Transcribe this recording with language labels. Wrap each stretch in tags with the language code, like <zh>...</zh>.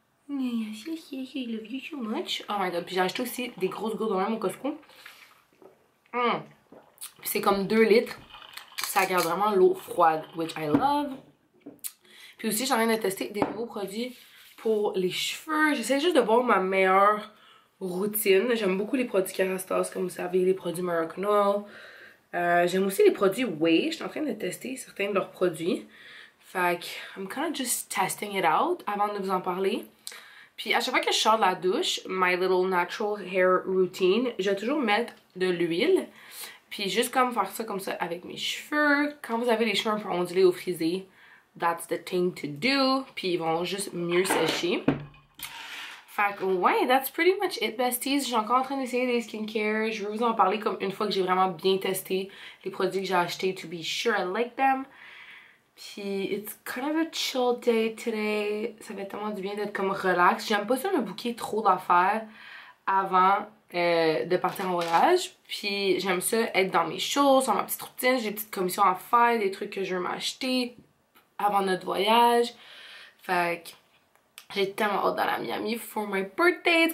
<en>Yes, yes, yes, I love you so much.</en> <fr>Oh my god, puis j'ai acheté aussi des grosses gourdes de même au Costco. Puis c'est comme 2 litres. Ça garde vraiment l'eau froide,</fr> <en>which I love.</en> <fr>Puis aussi, j'ai envie de tester des nouveaux produits pour les cheveux. J'essaie juste de voir ma meilleure routine. J'aime beaucoup les produits Kérastase, comme vous savez, les produits Moroccan Oil. J'aime aussi les produits Way. Je suis en train de tester certains de leurs produits.</fr> <en>Fait que, I'm kind of just testing it out</en> <fr>avant de vous en parler. Puis à chaque fois que je sors de la douche,</fr> <en>my little natural hair routine,</en> <fr>je vais toujours mettre de l'huile. Puis juste comme faire ça comme ça avec mes cheveux. Quand vous avez les cheveux un peu ondulés ou frisés,</fr> <en>that's the thing to do.</en> <fr>Puis ils vont juste mieux sécher. Fait que ouais,</fr> <en>that's pretty much it besties.</en> <fr>J'ai encore en train d'essayer des skincare. Je vais vous en parler comme une fois que j'ai vraiment bien testé les produits que j'ai achetés.</fr> <en>To be sure I like them.</en> <fr>Puis,</fr> <en>it's kind of a chill day today.</en> <fr>Ça fait tellement du bien d'être comme relax. J'aime pas ça me booker trop d'affaires avant de partir en voyage. Puis, j'aime ça être dans mes choses, dans ma petite routine. J'ai des petites commissions à faire, des trucs que je veux m'acheter avant notre voyage. Fait que j'ai tellement hâte d'aller à Miami</fr> <en>for my birthday.</en>